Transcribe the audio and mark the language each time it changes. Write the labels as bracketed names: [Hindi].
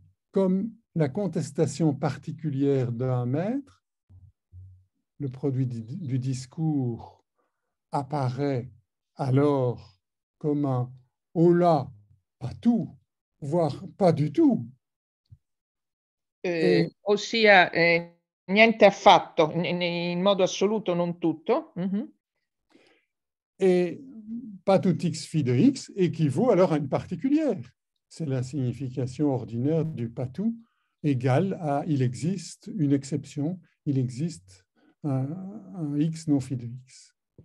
[French] Comme la contestation particulière d'un maître, le produit du discours apparaît alors comme un « hola, pas tout, voire pas du tout ». [Italian] Ossia, niente affatto, in modo assoluto, non tutto. [French] Et pas tout x phi de x équivaut alors à une particulière. C'est la signification ordinaire du pas tout égale à il existe une exception, il existe un x non phi de x.